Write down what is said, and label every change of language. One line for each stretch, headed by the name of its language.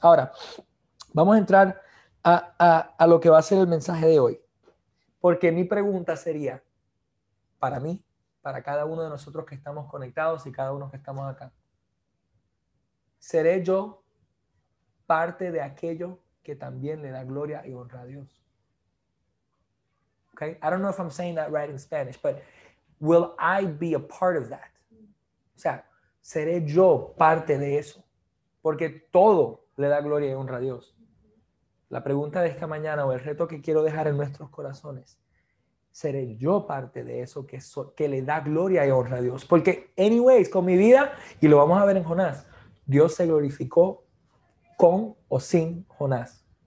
Spanish: Ahora, vamos a entrar a lo que va a ser el mensaje de hoy, porque mi pregunta sería, para mí, para cada uno de nosotros que estamos conectados y cada uno que estamos acá, ¿seré yo parte de aquello que también le da gloria y honra a Dios?
English: Okay? I don't know if I'm saying that right in Spanish, but will I be a part of that?
Spanish: O sea, ¿seré yo parte de eso? Porque todo le da gloria y honra a Dios. La pregunta de esta mañana o el reto que quiero dejar en nuestros corazones, ¿seré yo parte de eso que le da gloria y honra a Dios? Porque anyways, con mi vida, y lo vamos a ver en Jonás, Dios se glorificó con o sin Jonás.